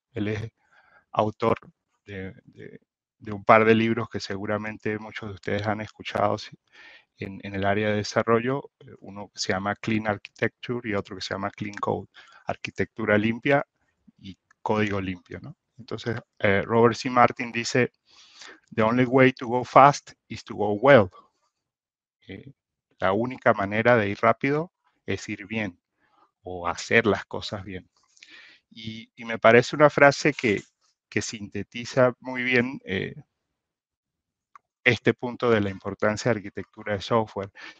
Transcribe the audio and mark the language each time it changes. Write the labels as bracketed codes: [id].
[es] Él es autor de un par de libros que seguramente muchos de ustedes han escuchado en el área de desarrollo. Uno se llama Clean Architecture y otro que se llama Clean Code, arquitectura limpia y código limpio, ¿no? Entonces, Robert C. [en] Martin [es] dice: [en] "The only way to go fast is to go well". [es] La única manera de ir rápido es ir bien o hacer las cosas bien. Y me parece una frase que sintetiza muy bien este punto de la importancia de arquitectura de software.